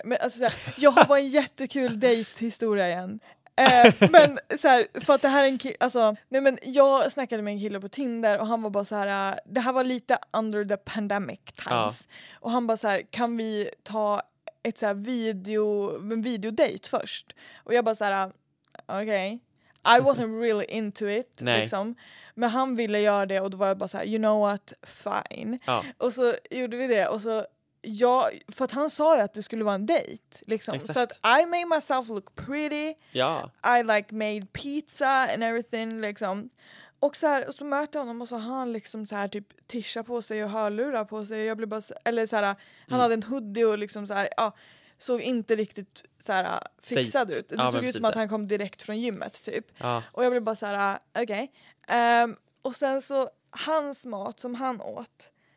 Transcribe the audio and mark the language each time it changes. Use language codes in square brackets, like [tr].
[sv] Men alltså så här, jag har bara en jättekul dejthistoria igen. Men så här, för att det här är en kille, alltså, nej, men jag snackade med en kille på Tinder och han var bara så här, det här var lite [en] under the pandemic times. [sv] Ja. Och han bara så här, kan vi ta ett så här videodate först? Och jag bara så här, okej. [en] Okay. I wasn't really into it, [sv] nej. Liksom. Men han ville göra det, och då var jag bara så här, [en] you know what, fine. [sv] Ja. Och så gjorde vi det, och så jag, för att han sa ju att det skulle vara en date liksom. Exakt. Så att [en] I made myself look pretty. [sv] Ja. [en] I like made pizza and everything [sv] liksom. Och så här, och så möter jag honom, och så har han liksom så här typ tischa på sig och hörlurar på sig. Jag blev bara så, eller så här, han hade en hoodie och liksom så här, ja, såg inte riktigt så här fixad date. Ut. Det, ja, såg ut som att han kom direkt från gymmet typ. Ja. Och jag blev bara så här, okej. Okay. Och sen så hans mat som han åt.